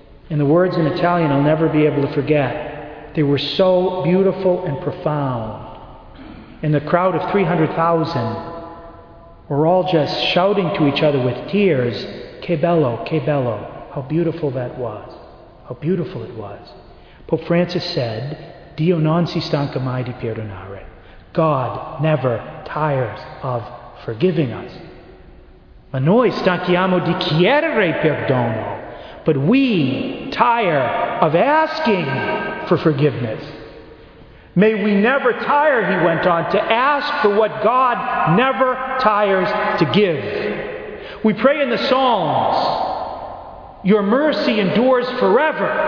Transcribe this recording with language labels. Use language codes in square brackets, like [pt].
[en] And the words in Italian I'll never be able to forget. They were so beautiful and profound. And the crowd of 300,000 were all just shouting to each other with tears, [it] Che bello, che bello. [en] How beautiful that was. How beautiful it was. Pope Francis said, [it] Dio non si stanca mai di perdonare. [en] God never tires of forgiving us. [it] Ma noi stanchiamo di chiedere perdono. [en] But we tire of asking for forgiveness. May we never tire, he went on, to ask for what God never tires to give. We pray in the Psalms, your mercy endures forever.